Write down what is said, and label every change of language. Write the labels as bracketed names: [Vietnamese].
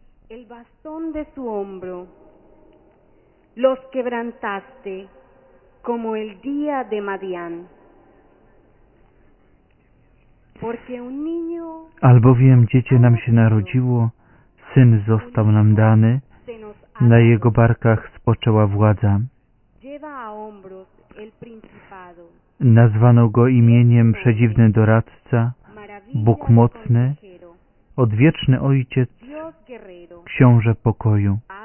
[Spanish] El bastón de su hombro los quebrantaste como el día de Madián. Porque un niño. [Polish] Albowiem dziecię nam się narodziło, syn został nam dany, na jego barkach spoczęła władza. [Spanish] Lleva a hombros el principado. [Polish] Nazwano go imieniem Przedziwny Doradca, Bóg Mocny, Odwieczny Ojciec, Książę Pokoju.